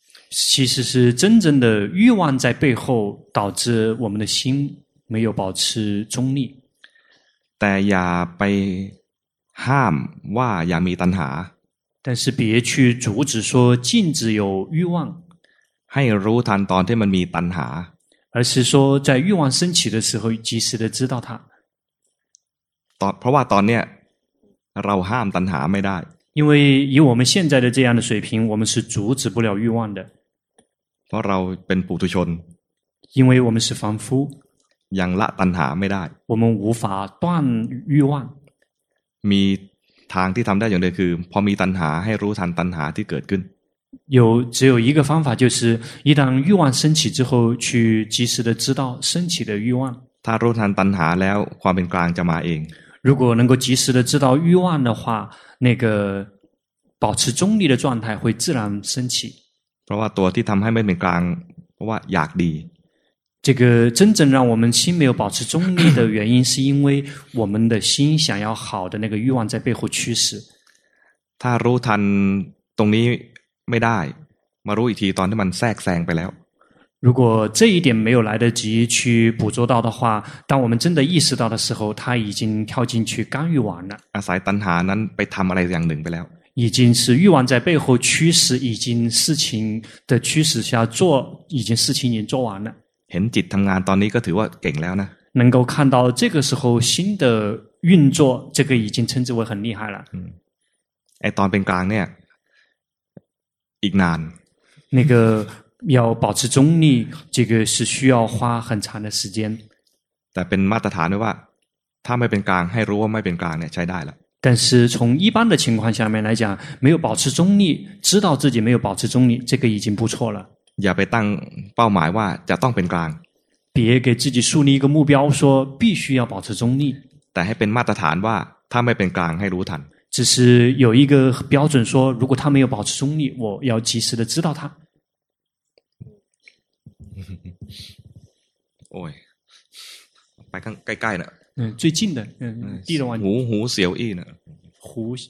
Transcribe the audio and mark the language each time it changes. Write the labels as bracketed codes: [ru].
[zh] 其实是真正的欲望在背后导致我们的心没有保持中立 [th] แต่อย่าไปห้ามว่าอย่ามีตัณหา [zh] 但是别去阻止说禁止有欲望 [th] ให้รู้ทันตอนที่มันมีตัณหา [zh] 而是说在欲望升起的时候及时的知道它 [th] ตอนเพราะว่าตอนเนี้ยเราห้ามตัณหาไม่ได้ [zh] 因为以我们现在的这样的水平我们是阻止不了欲望的 [th] เพราะเราเป็นปุถุชน [zh] 因为我们是凡夫 [th] ยังละตัณหาไม่ได้ [zh] 我们无法断欲望 [th] มีทางที่ทำได้อย่างเดียวคือพอมีตัณหาให้รู้ทันตัณหาที่เกิดขึ้น [zh] 只有一个方法就是一旦欲望升起之后去及时的知道升起的欲望 [th] ถ้ารู้ทันตัณหาแล้วความเป็นกลางจะมาเอง [zh] 如果能够及时的知道欲望的话那个保持中立的状态会自然升起 [th] เพราะว่าตัวที่ทำให้ไม่เป็นกลางเพราะว่าอยากดี [zh] 这个真正让我们心没有保持中立的原因是因为我们的心想要好的那个欲望在背后驱使 [th] ถ้ารู้ทันตรงนี้ไม่ได้มารู้อีกทีตอนที่มันแทรกแซงไปแล้ว [zh] 如果这一点没有来得及去捕捉到的话当我们真的意识到的时候他已经跳进去干预完了 [th] อาศัยตัณหานั้นไปทำอะไรอย่างหนึ่งไปแล้ว [zh] 已经是欲望在背后驱使已经事情的驱使下做已经事情已经做完了 [th] เห็นจิตทำงานตอนนี้ก็ถือว่าเก่งแล้วนะ [zh] 能够看到这个时候新的运作这个已经称之为很厉害了 [th] ไอตอนเป็นกลางเนี่ยอีกนาน [zh] 那个要保持中立这个是需要花很长的时间 [th] แต่เป็นมาตรฐานด้วยว่าถ้าไม่เป็นกลางให้รู้ว่าไม่เป็นกลางเนี่ยใช้ได้แล้ว [zh] 但是从一般的情况下面来讲没有保持中立知道自己没有保持中立这个已经不错了 [th] อย่าไปตั้งเป้าหมายว่าจะต้องเป็นกลาง [zh] 别给自己树立一个目标说必须要保持中立 [th] แต่ให้เป็นมาตรฐานว่าถ้าไม่เป็นกลางให้รู้ทัน [zh] 只是有一个标准说如果他没有保持中立我要及时的知道他 [th] โอ้ยไปข้างใกล้ๆน่ะ [zh] 最近的地的玩 [th] หูหูเสียวอี้น่ะ หู